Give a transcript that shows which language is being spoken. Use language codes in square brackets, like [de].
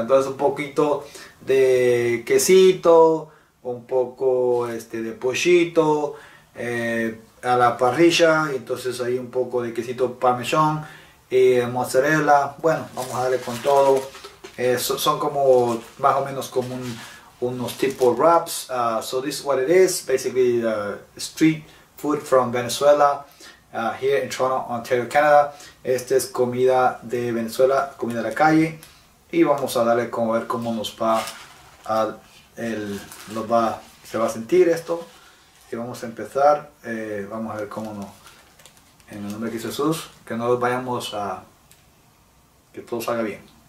[es] Entonces un poquito de quesito, un poco de pollito a la parrilla, entonces ahí un poco de quesito parmesón y mozzarella. Bueno, vamos a darle con todo. Son como más o menos como unos tipo wraps. [en] So this is what it is, basically the street food from Venezuela. Here in Toronto, Ontario, Canada. [es] Esta es comida de Venezuela, comida de la calle. Y vamos a darle con ver cómo nos va a se va a sentir esto. Y vamos a empezar. Vamos a ver cómo nos. En el nombre de Jesús, que no vayamos a. Que todo salga bien.